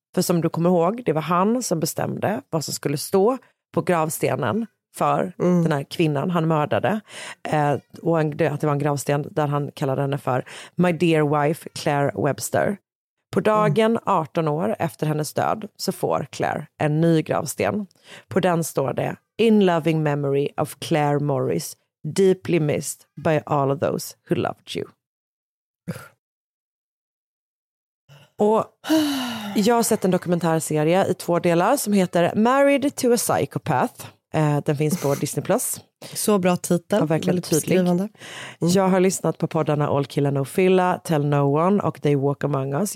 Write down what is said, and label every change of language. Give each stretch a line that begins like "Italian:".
Swedish: För som du kommer ihåg, det var han som bestämde vad som skulle stå på gravstenen för den här kvinnan han mördade. Och att det var en gravsten där han kallade henne för My Dear Wife Claire Webster. På dagen 18 år efter hennes död så får Claire en ny gravsten. På den står det:
English: In loving memory of Claire Morris, deeply missed by all of those who loved you.
Swedish: Och jag har sett en dokumentärserie i två delar som heter Married to a Psychopath. Den finns på Disney Plus. Så bra titel, väldigt beskrivande. Jag har lyssnat på poddarna All Killa No Filla, Tell No One och They Walk Among Us.